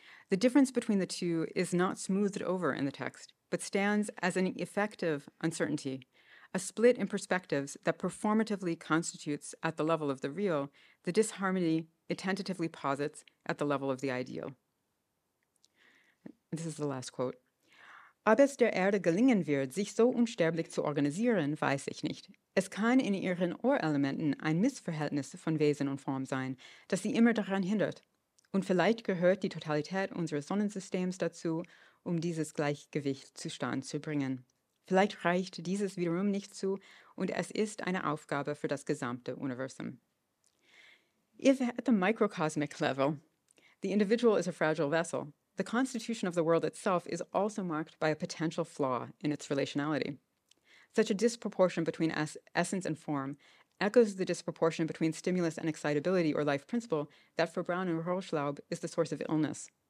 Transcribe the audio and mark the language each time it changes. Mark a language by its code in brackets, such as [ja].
[en] The difference between the two is not smoothed over in the text, but stands as an effective uncertainty, a split in perspectives that performatively constitutes at the level of the real the disharmony it tentatively posits at the level of the ideal. This is the last quote. [de] Ob es der Erde gelingen wird, sich so unsterblich zu organisieren, weiß ich nicht. Es kann in ihren Urelementen ein Missverhältnis von Wesen und Form sein, das sie immer daran hindert. Und vielleicht gehört die Totalität unseres Sonnensystems dazu, um dieses Gleichgewicht zustande zu bringen. Vielleicht reicht dieses wiederum nicht zu und es ist eine Aufgabe für das gesamte Universum. [en] If at the microcosmic level, the individual is a fragile vessel, the constitution of the world itself is also marked by a potential flaw in its relationality. Such a disproportion between essence and form echoes the disproportion between stimulus and excitability or life principle that for Brown and Rorschlaub is the source of illness.